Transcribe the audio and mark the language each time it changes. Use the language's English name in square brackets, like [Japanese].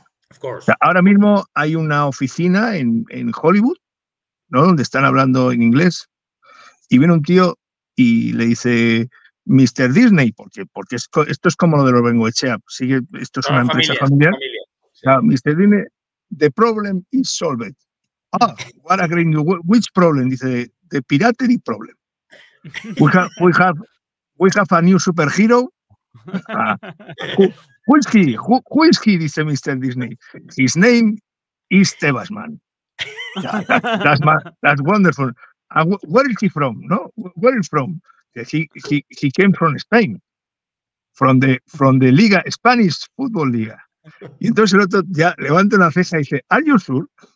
[English] Of course. [Spanish] O sea, ahora mismo hay una oficina en Hollywood, ¿no?, donde están hablando en inglés, y viene un tío y le dice, Mr. Disney, porque esto es como lo de los Bengoechea, sigue, esto es una empresa familiar. Familia, sí. O sea, Mr. [English] Disney, the problem is solved. Ah, what a great new world. Which problem? [Spanish] Dice, [English] the piratery problem. We have a new superhero. Who is he? [Spanish] Dice [English] Mr. Disney. His name is Tebasman. That's wonderful. Where is he from? No, where is he from? He came from Spain, from the Liga, Spanish Football Liga. [Spanish] Y entonces el otro ya levanta una ceja y dice, [English] Are you sure?